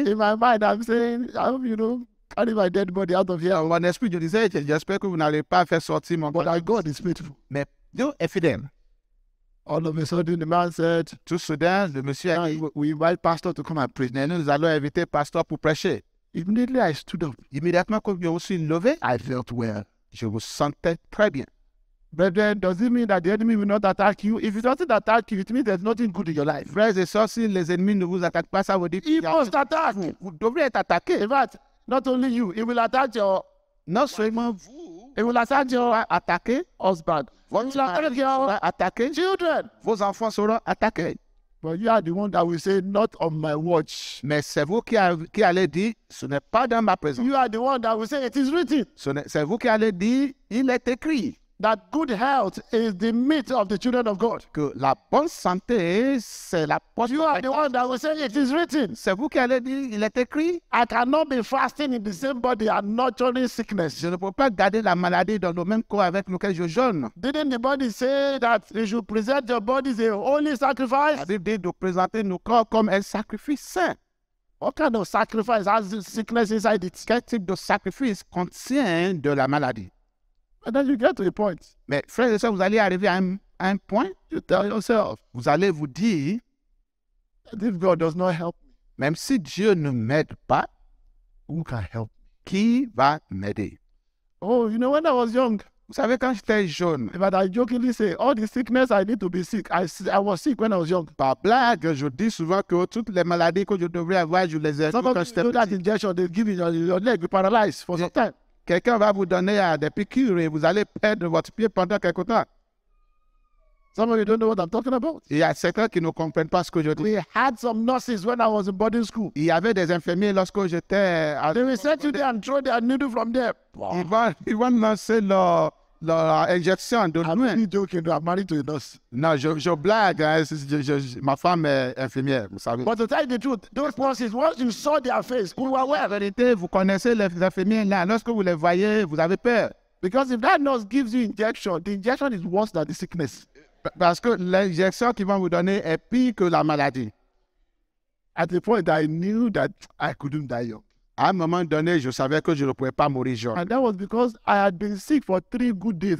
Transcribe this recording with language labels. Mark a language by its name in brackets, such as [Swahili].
[English] In my mind, I'm saying, you know, carry my dead body out of here. [French] Dans mon esprit, je disais, j'espère que vous n'allez pas faire sortir mon corps. [English] But God is faithful. [French] Mais Dieu est fidèle. [English] All of a sudden, the man said, [French] tout soudain, le monsieur a dit, [English] we invite pastor to come and preach. Now, [French] nous allons inviter pastor pour prêcher. [English] Immediately, I stood up. [French] Immédiatement, comme je me suis levé, [English] I felt well. [French] Je me sentais très bien. [English] Brethren, does it mean that the enemy will not attack you? If it doesn't attack you, it means there's nothing good in your life. [French] Frères et sœurs, si les ennemis ne vous attaquent pas, ça veut dire qu'il [English] must attack. [French] Vous devriez être attaqué. [English] In fact, not only you, it will attack your... [French] Non seulement vous. [English] It will attack your... [French] Attaquer. [English] Husband. [French] Votre mari sera attaqué. [English] Children. [French] Vos enfants seront attaqués. [English] But you are the one that will say, not on my watch. [French] Mais c'est vous qui allez dire, ce n'est pas dans ma présence. [English] You are the one that will say, it is written. [French] C'est vous qui allez dire, il est écrit. [English] That good health is the meat of the children of God. [French] Que la bonne santé, c'est la porte. [English] You are the one that will say it is written. [French] C'est vous qui allez dire, il est écrit. [English] I cannot be fasting in the same body and nurturing sickness. [French] Je ne peux pas garder la maladie dans le même corps avec lequel je jeûne. [English] Didn't the body say that you should present your bodies a holy sacrifice? [French] La Bible dit de présenter nos corps comme un sacrifice saint. [English] What kind of sacrifice has the sickness inside it? [French] Quel type de sacrifice contient de la maladie? [English] And then you get to a point. [French] Mais frères et sœurs, vous allez arriver à un point. [English] You tell yourself. [French] Vous allez vous dire. [English] That if God does not help me. [French] Même si Dieu ne m'aide pas. [English] Who can help me? [French] Qui va m'aider? [English] Oh, you know, when I was young. [French] Vous savez, quand j'étais jeune, [English] but I jokingly say, all the sickness I need to be sick. I was sick when I was young. [French] Par blague, je dis souvent que toutes les maladies que je devrais avoir, je les ai eues quand j'étais petit. [English] That injection, they give you your leg paralyzed for some time. [French] Quelqu'un va vous donner des piqûres et vous allez perdre votre pied pendant quelque temps. [English] Some of you don't know what I'm talking about. [French] Il y a certains qui ne comprennent pas ce que je dis. [English] We had some nurses when I was in boarding school. [French] Il y avait des infirmiers lorsque j'étais. [English] They will send you there and throw their needle from there. [French] Wow. Ils vont lancer leur injection de nous. [English] I'm joking. I'm married to a nurse. [French] Non, je blague. Hein. Ma femme est infirmière, vous savez. [English] But to tell you the truth, those nurses, once you saw their face, you were aware. [French] En vérité, vous connaissez les infirmières là. Lorsque vous les voyez, vous avez peur. [English] Because if that nurse gives you injection, the injection is worse than the sickness. [French] Parce que l'injection qu'ils vont vous donner est pire que la maladie. [English] At the point I knew that I couldn't die young. [French] À un moment donné, je savais que je ne pouvais pas mourir jeune. [English] And that was because I had been sick for 3 good days.